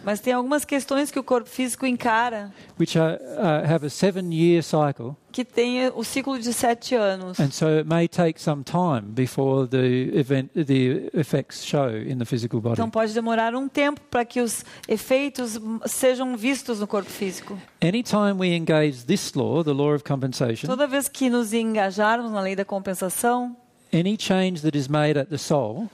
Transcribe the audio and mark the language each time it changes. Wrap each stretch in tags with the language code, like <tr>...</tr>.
<pt>Mas tem algumas questões que o corpo físico encara.</pt> <en>Which have a 7-year cycle.</en> <pt>Que tem o ciclo de 7 anos.</pt> <en>And so it may take some time before the effects show in the physical body.</en> <pt>Então pode demorar um tempo para que os efeitos sejam vistos no corpo físico.</pt> <en>Anytime we engage this law, the law of compensation.</en> <pt>Toda vez que nos engajarmos na lei da compensação.</pt> <en>Any change that is made at the soul.</en>